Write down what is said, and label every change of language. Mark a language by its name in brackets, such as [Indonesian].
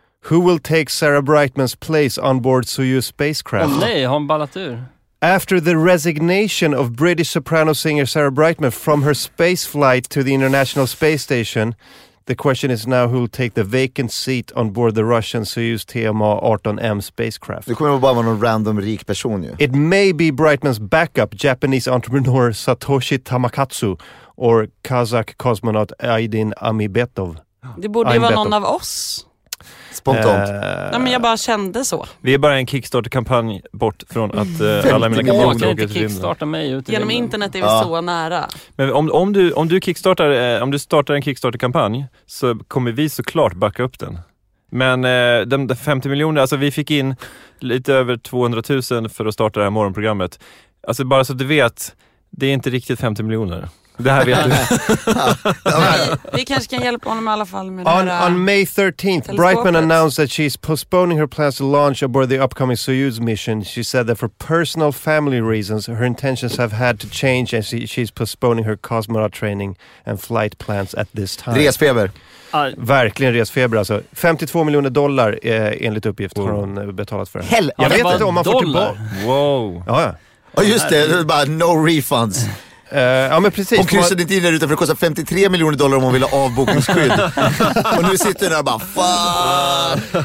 [English] Who will take Sarah Brightmans place on board Soyuz spacecraft? [Swedish] Oh, nej, har hon ballat ur? [English] After the resignation of British soprano singer Sarah Brightman from her space flight to the International Space Station, The question is now who will take the vacant seat on board the Russian Soyuz TMR-18M spacecraft. [Swedish] Det kommer bara vara någon random rik person ju. [English] It may be Brightman's backup, Japanese entrepreneur Satoshi Tamakatsu or Kazakh cosmonaut Aydin Amibetov. [Swedish] Det borde ju vara någon av oss. Spontant. Nej, men jag bara kände så. Vi är bara en Kickstarter-kampanj bort från att alla mina kampanjer åker till rymden. Jag kan inte kickstarta mig ut i genom rymden. Internet är vi så nära. Men om du kickstartar, om du startar en Kickstarter-kampanj så kommer vi såklart backa upp den. Men de 50 miljoner, alltså vi fick in lite över 200 000 för att starta det här morgonprogrammet. Alltså bara så att du vet, det är inte riktigt 50 miljoner. Det här vet du. Vi kanske kan hjälpa honom i alla fall med [English] On May 13th, Brightman announced that she's postponing her plans to launch aboard the upcoming Soyuz mission. She said that for personal family reasons, her intentions have had to change and she's postponing her cosmonaut training and flight plans at this time. [Swedish] Resfeber. Verkligen resfeber alltså. 52 miljoner dollar enligt uppgift har hon betalat för det. Jag vet inte om man får tillbaka. Wow. Ja. Just det, det är bara [English] no refunds. [Swedish] Ja men precis. Hon kryssade inte in där utan för det kostar 53 miljoner dollar om hon ville ha avbokningsskydd. Och nu sitter hon där och bara fan.